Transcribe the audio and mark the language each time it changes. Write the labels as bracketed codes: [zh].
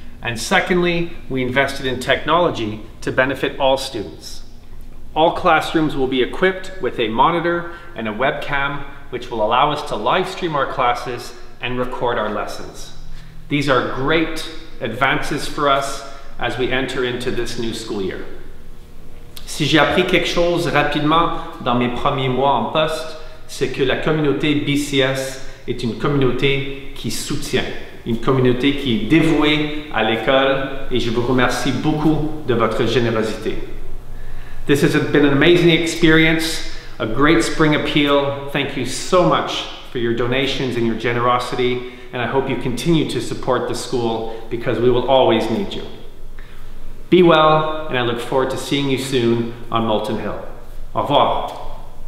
[en] And secondly, we invested in technology to benefit all students. All classrooms will be equipped with a monitor and a webcam, which will allow us to live stream our classes and record our lessons. These are great advances for us as we enter into this new school year. [fr] Si j'ai appris quelque chose rapidement dans mes premiers mois en poste, c'est que la communauté BCS est une communauté qui soutient, une communauté qui est dévouée à l'école, et je vous remercie beaucoup de votre générosité. [en] This has been an amazing experience, a great spring appeal. Thank you so much for your donations and your generosity, and I hope you continue to support the school because we will always need you. Be well, and I look forward to seeing you soon on Moulton Hill. [fr] Au revoir.